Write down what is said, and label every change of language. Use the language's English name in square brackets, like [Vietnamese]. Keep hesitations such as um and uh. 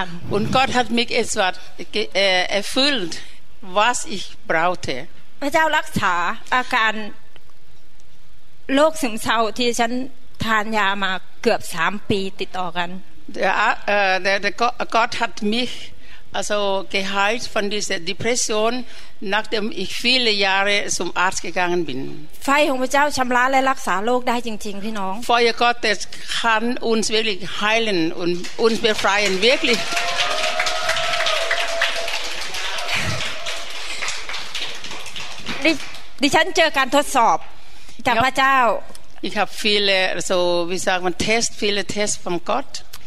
[German] Und Gott hat mich etwas erfüllt, was ich brauchte. [Thai] พระเจ้ารักษาอาการโรคซึมเศร้าที่ฉันทานยามาเกือบสามปีติดต่อกันเดี๋ยว เอ่อเดี๋ยวก็ก็ทัดมิ [German] also geheilt von dieser Depression nachdem ich viele Jahre zum Arzt gegangen bin [Thai] ไฟของพระเจ้าชำระและรักษาโรคได้จริงๆพี่น้อง [German] Feuer Gottes kann uns wirklich heilen und uns befreien wirklich [Thai] ดิฉันเจอการทดสอบจากพระเจ้า [German] Ich habe viele, so wie sagt man, Tests, viele Tests von Gott